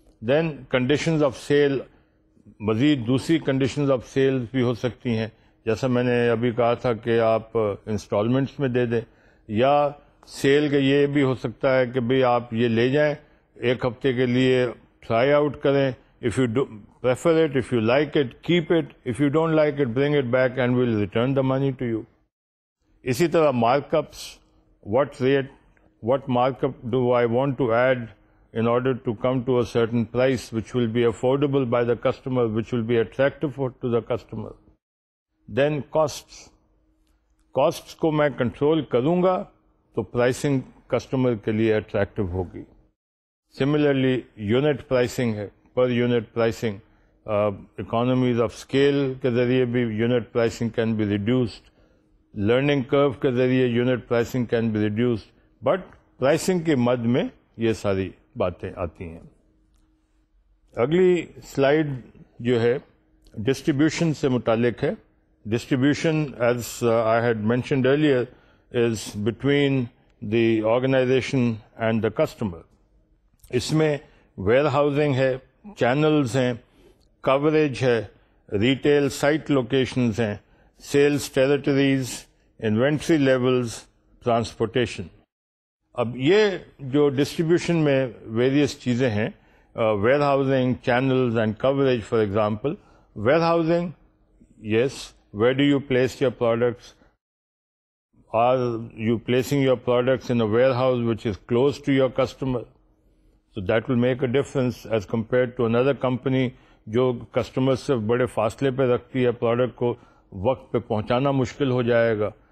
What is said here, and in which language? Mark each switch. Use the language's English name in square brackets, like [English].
[Urdu] Then conditions of cell, مزید دوسری conditions of cell بھی ہو سکتی ہیں, جیسا میں نے ابھی کہا تھا کہ آپ انسٹالمنٹس میں دے دیں, یا سیل کا یہ بھی ہو سکتا ہے کہ بھئی آپ یہ لے جائیں ایک ہفتے کے لیے ٹرائی آؤٹ کریں, [English] If you prefer it, if you like it keep it, if you don't like it bring it back and we'll return the money to you. [Urdu] اسی طرح [English] Mark ups, what rate, what mark up do I want to add in order to come to a certain price which will be affordable by the customer, which will be attractive to the customer. [Urdu] Then casts, casts کو میں control کروں گا تو pricing customer کے لیے attractive ہوگی. Similarly unit pricing ہے, per unit pricing, economies of scale کے ذریعے بھی unit pricing [English] can be reduced, [Urdu] learning curve کے ذریعے unit pricing can be reduced, but pricing کے مد میں یہ ساری باتیں آتی ہیں. اگلی سلائیڈ جو ہے ڈسٹریبیوشن سے متعلق ہے. [English] Distribution as I had mentioned earlier is between the organization and the customer. [Urdu] اس میں ویئر ہاؤسنگ ہے, چینلز ہیں, کوریج ہے, ریٹیل سائٹ لوکیشنز ہیں, sales territories, inventory levels, transportation. [English] اب یہ جو ڈسٹریبیوشن میں ویریئس چیزیں ہیں, warehousing, channels and coverage, for example warehousing, yes, where do you place your products, are you placing your products in a warehouse which is close to your customer, so that will make a difference as compare to اندر company [Urdu] جو customer سے بڑے فاصلے پہ رکھتی ہے, product کو وقت پہ پہنچانا مشکل ہو جائے گا.